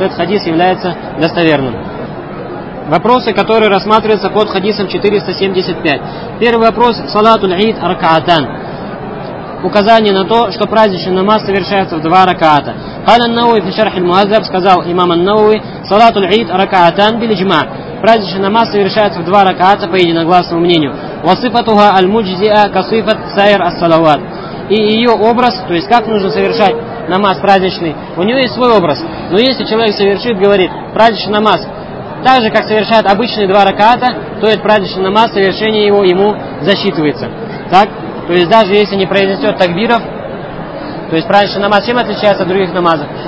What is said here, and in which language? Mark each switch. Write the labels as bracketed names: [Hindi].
[Russian] Этот хадис является достоверным. Вопросы, которые рассматриваются под хадисом 475. Первый вопрос. [Arabic] Салату аль-Ид ракаатан. [Russian] Указание на то, что праздничный намаз совершается в два ракаата. [Arabic] Кала ан-Науи фи шарх аль-Муаззаб, [Russian] сказал имам ан-Науи, [Arabic] салату аль-Ид ракаатан биль-джма. [Russian] Праздничный намаз совершается в два ракаата по единогласному мнению. [Arabic] وصفتها المجزئة كصفة سائر الصلوات. [Russian] И ее образ, то есть как нужно совершать намаз праздничный, у нее есть свой образ. Но если человек совершит, говорит, праздничный намаз так же, как совершает обычные два раката, то есть праздничный намаз, совершение его ему засчитывается. Так? То есть даже если не произнесет такбиров, то есть праздничный намаз чем отличается от других намазов?